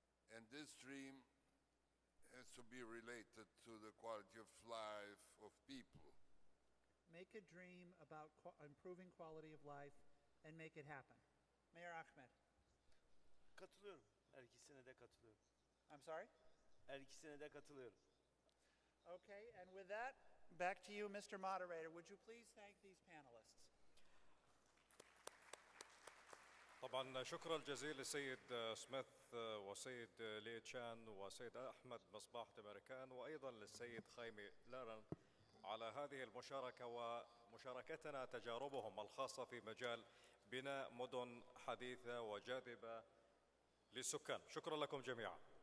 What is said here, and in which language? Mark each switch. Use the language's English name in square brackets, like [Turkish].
[English] And this dream has to be related to the quality of life of people. Make a dream about improving quality of life and make it happen. Mayor Ahmed. [Turkish] Katılıyorum. Her ikisine de katılıyorum. [English] I'm sorry? [Turkish] Her ikisine de katılıyorum. [English] Okay, and with that, back to you, Mr. Moderator. Would you please thank these panelists? [Arabic] طبعا شكرا جزيلا للسيد سميث وسيد لي تشان وسيد احمد مصباح تبركان وايضا للسيد خيمي لارن على هذه المشاركه ومشاركتنا تجاربهم الخاصه في مجال بناء مدن حديثه وجاذبه للسكان. شكرا لكم جميعا.